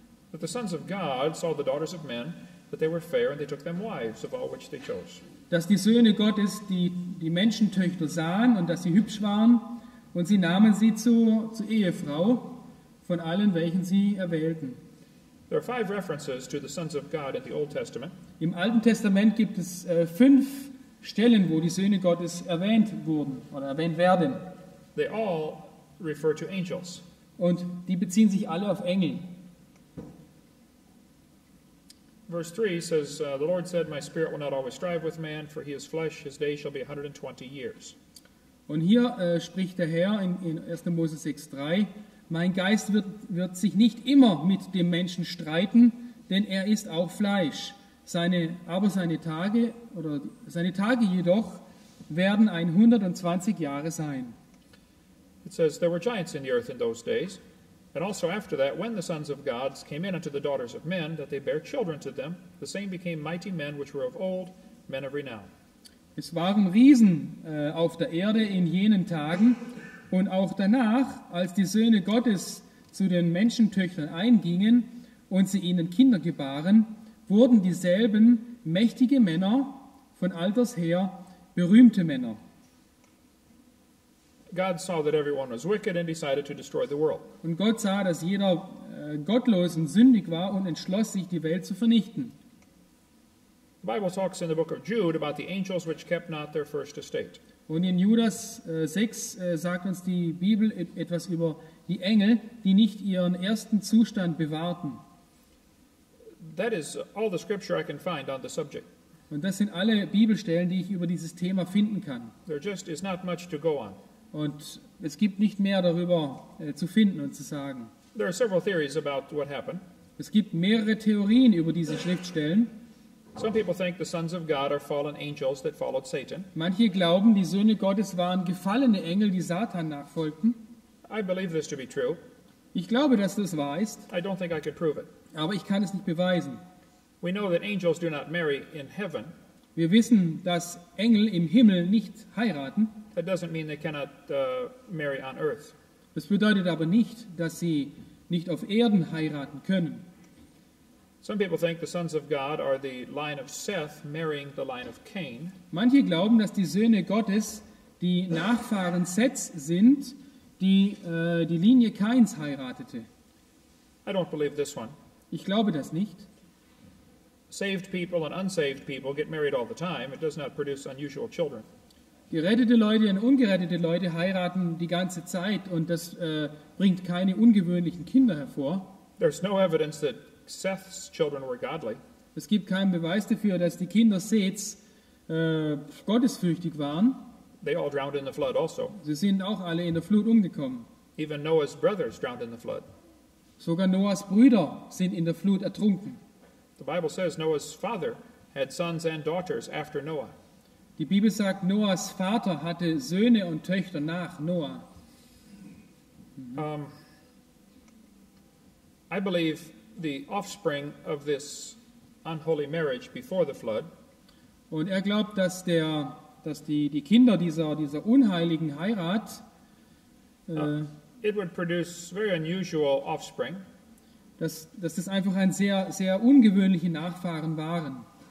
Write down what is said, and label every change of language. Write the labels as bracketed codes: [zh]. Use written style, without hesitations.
[en] But the sons of God saw the daughters of men, that they were fair, and they took them wives of all which they chose. [de] Dass die Söhne Gottes die Menschentöchter sahen und dass sie hübsch waren, und sie nahmen sie zu Ehefrau von allen, welchen sie erwählten. [en] There are five references to the sons of God in the Old Testament. [de] Im Alten Testament gibt es fünf Stellen, wo die Söhne Gottes erwähnt wurden oder erwähnt werden. [en] They all refer to angels. [de] Und die beziehen sich alle auf Engel. [en] Verse 3 says, the Lord said, my spirit will not always strive with man, for he is flesh, his day shall be 120 years. [de] Und hier spricht der Herr in 1. Mose 6, 3, mein Geist wird sich nicht immer mit dem Menschen streiten, denn er ist auch Fleisch. Seine Tage jedoch werden 120 Jahre sein. [en] It says there were giants in the earth in those days, and also after that, when the sons of gods came in unto the daughters of men, that they bare children to them, the same became mighty men which were of old, men of renown. [de] Es waren Riesen auf der Erde in jenen Tagen und auch danach, als die Söhne Gottes zu den Menschentöchtern eingingen und sie ihnen Kinder gebaren, wurden dieselben mächtige Männer, von alters her berühmte Männer. [en] God saw that everyone was wicked and decided to destroy the world. [de] Und Gott sah, dass jeder gottlos und sündig war und entschloss sich, die Welt zu vernichten. [en] The Bible talks in the book of Jude about the angels which kept not their first estate. [de] Und in Judas 6 sagt uns die Bibel etwas über die Engel, die nicht ihren ersten Zustand bewahrten. [en] That is all the scripture I can find on the subject. [de] Und das sind alle Bibelstellen, die ich über dieses Thema finden kann. [en] There just is not much to go on. [de] Und es gibt nicht mehr darüber zu finden und zu sagen. [en] There are several theories about what happened. [de] Es gibt mehrere Theorien über diese Schriftstellen. [en] Some people think the sons of God are fallen angels that followed Satan. [de] Manche glauben, die Söhne Gottes waren gefallene Engel, die Satan nachfolgten. [en] I believe this to be true. [de] Ich glaube, dass das wahr ist. [en] I don't think I could prove it. [de] Aber ich kann es nicht beweisen. [en] We know that angels do not marry in heaven. [de] Wir wissen, dass Engel im Himmel nicht heiraten. [en] That doesn't mean they cannot marry on earth. [de] Das bedeutet aber nicht, dass sie nicht auf Erden heiraten können. [en] Some people think the sons of God are the line of Seth marrying the line of Cain. [de] Manche glauben, dass die Söhne Gottes die Nachfahren Seths sind, die die Linie Kains heiratete. [en] I don't believe this one. [de] Ich glaube das nicht. [en] Saved people and unsaved people get married all the time. It does not produce unusual children. [de] Gerettete Leute und ungerettete Leute heiraten die ganze Zeit und das bringt keine ungewöhnlichen Kinder hervor. [en] There's no evidence that Seth's children were godly. [de] Es gibt keinen Beweis dafür, dass die Kinder Seths gottesfürchtig waren. [en] They all drowned in the flood also. [de] Sie sind auch alle in der Flut umgekommen. [en] Even Noah's brothers drowned in the flood. [de] Sogar Noahs Brüder sind in der Flut ertrunken. [en] The Bible says Noah's father had sons and daughters after Noah. [de] Die Bibel sagt, Noahs Vater hatte Söhne und Töchter nach Noah. [en] I believe the offspring of this unholy marriage before the flood. [de] Und er glaubt, dass der, dass die Kinder dieser unheiligen Heirat. [en] It would produce very unusual offspring. [de] Dass das einfach ein sehr sehr ungewöhnliche Nachfahren waren.